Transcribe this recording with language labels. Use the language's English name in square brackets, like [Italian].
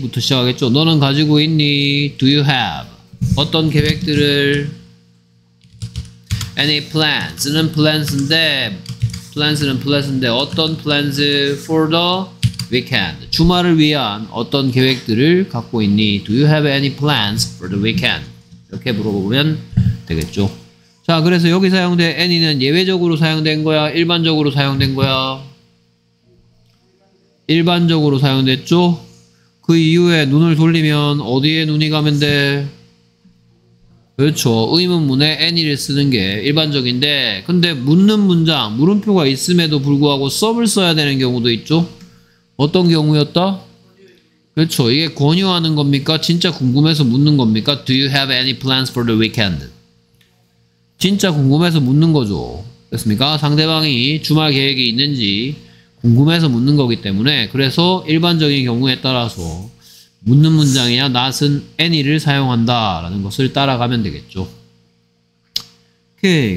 [Korean] 부터 시작하겠죠. 너는 가지고 있니? [English] Do you have? [Korean] 어떤 계획들을? [English] Any plans?는 plans인데 plans는 plans인데 [Korean] 어떤 [English] plans for the weekend? [Korean] 주말을 위한 어떤 계획들을 갖고 있니? [English] Do you have any plans for the weekend? [Korean] 이렇게 물어보면 되겠죠. 자, 그래서 여기 사용된 any는 예외적으로 사용된 거야? 일반적으로 사용된 거야? 일반적으로 사용됐죠? 그 이후에 눈을 돌리면 어디에 눈이 가면 돼? 그렇죠. 의문문에 any를 쓰는 게 일반적인데, 근데 묻는 문장, 물음표가 있음에도 불구하고 some을 써야 되는 경우도 있죠? 어떤 경우였다? 그렇죠. 이게 권유하는 겁니까? 진짜 궁금해서 묻는 겁니까? [English] Do you have any plans for the weekend? [Korean] 진짜 궁금해서 묻는 거죠. 됐습니까? 상대방이 주말 계획이 있는지 궁금해서 묻는 거기 때문에, 그래서 일반적인 경우에 따라서 묻는 문장이나 not은 any를 사용한다 라는 것을 따라가면 되겠죠. 오케이.